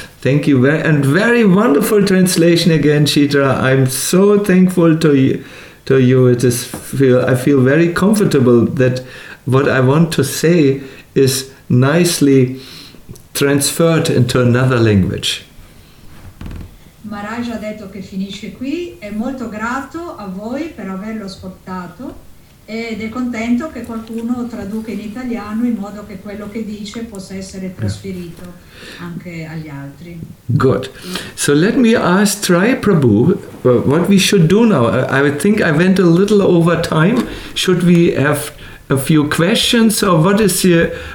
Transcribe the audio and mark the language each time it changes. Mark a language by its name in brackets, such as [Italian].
[English] Thank you very, and very wonderful translation again, Chitra. I'm so thankful to you. I feel very comfortable that what I want to say is nicely transferred into another language. [Italian] Maharaj ha detto che finisce qui, è molto grato a voi per averlo ascoltato ed è contento che qualcuno traduca in italiano in modo che quello che dice possa essere trasferito anche agli altri. [English] Good. So let me ask Trai Prabhu what we should do now. I think I went a little over time. Should we have a few questions or what is your